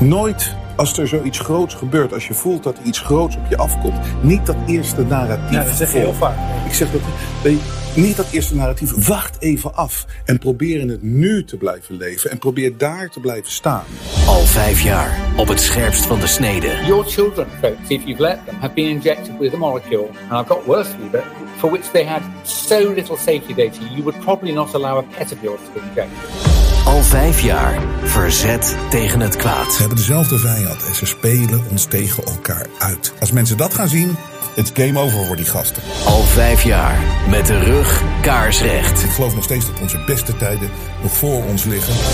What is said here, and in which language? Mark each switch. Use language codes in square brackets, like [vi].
[nl] Nooit als er zoiets groots gebeurt, als je voelt dat er iets groots op je afkomt. Niet dat eerste narratief. Ja, dat zeg je heel vaak. Ik zeg dat niet dat eerste narratief. Wacht even af en probeer in het nu te blijven leven. En probeer daar te blijven staan. Al 5 jaar op het scherpst van de snede. [en] Your children, folks, if you've let them, have been injected with a molecule. And I've got worse for you, but for which they had so little safety data, you would probably not allow a pet of yours to be injected. [nl] Al 5 jaar verzet tegen het kwaad. Ze hebben dezelfde vijand en ze spelen ons tegen elkaar uit. Als mensen dat gaan zien, het is game over voor die gasten. Al 5 jaar met de rug kaarsrecht. Ik geloof nog steeds dat onze beste tijden nog voor ons liggen.